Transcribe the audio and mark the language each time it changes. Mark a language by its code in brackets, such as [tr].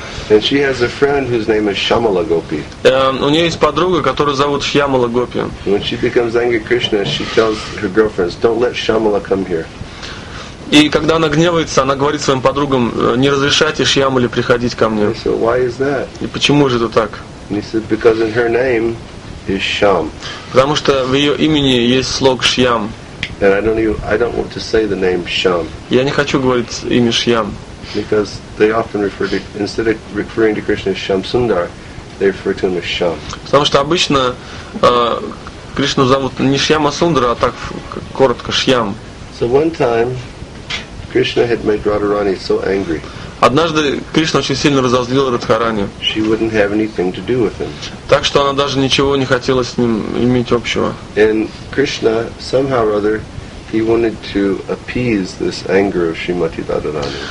[en] And she has a friend whose name is Shyamala Gopi. [ru] У нее есть подруга, которую зовут Шьямала Гопи. [en] When she becomes angry at Krishna, she tells her girlfriends, "Don't let Shyamala come here." [ru] И когда она гневается, она говорит своим подругам, не разрешайте Шьямале приходить ко мне. [en] Said, why is that? [ru] И почему же это так? [en] And he said, because in her name is Shyam. [ru] Потому что в ее имени есть слог Шьям. [en] And I don't want to say the name Shyam. [ru] Я не хочу говорить имя Шьям. [en] Because they often refer to, instead of referring to Krishna as Shyamsundar, they refer to him as Shyam. [ru] Потому что обычно Кришну зовут не Шьямасундара, а так коротко Шьям. [en] So one time Krishna had made Radharani so angry. [ru] Однажды Кришна очень сильно разозлил Радхарани. [en] She wouldn't have anything to do with him. [ru] Так что она даже ничего не хотела с ним иметь общего. [en] And Krishna somehow or other he wanted to appease this anger of Shrimati Radharani.